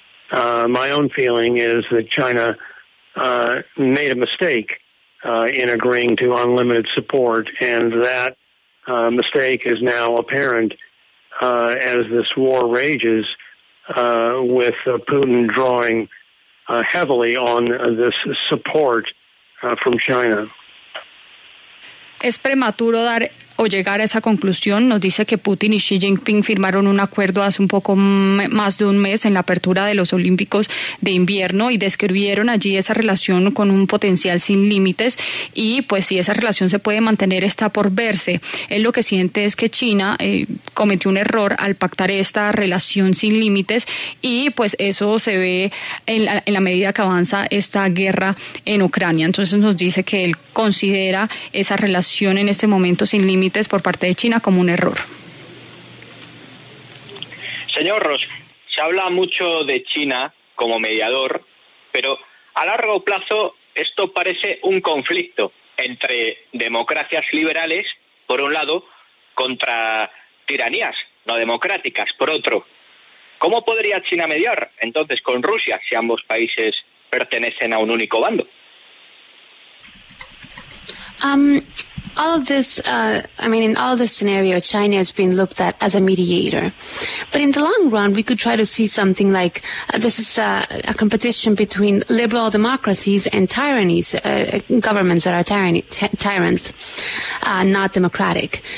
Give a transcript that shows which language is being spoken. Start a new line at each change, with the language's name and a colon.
English: My own feeling is that China made a mistake in agreeing to unlimited support, and that mistake is now apparent as this war rages, with Putin drawing heavily on this support from China.
Spanish: Es prematuro dar o llegar a esa conclusión. Nos dice que Putin y Xi Jinping firmaron un acuerdo hace un poco más de un mes en la apertura de los Olímpicos de invierno y describieron allí esa relación con un potencial sin límites, y pues si esa relación se puede mantener está por verse. Él lo que siente es que China cometió un error al pactar esta relación sin límites, y pues eso se ve en la medida que avanza esta guerra en Ucrania. Entonces nos dice que él considera esa relación en este momento sin límites por parte de China como un error. Señor Ross, se habla mucho de China como mediador, pero a largo plazo esto parece un conflicto entre democracias liberales, por un lado, contra tiranías no democráticas, por otro. ¿Cómo podría China mediar entonces con Rusia si ambos países pertenecen a un único bando?
English: All of this, in all this scenario, China has been looked at as a mediator. But in the long run, we could try to see something like this is a competition between liberal democracies and tyrannies, governments that are tyrants, not democratic.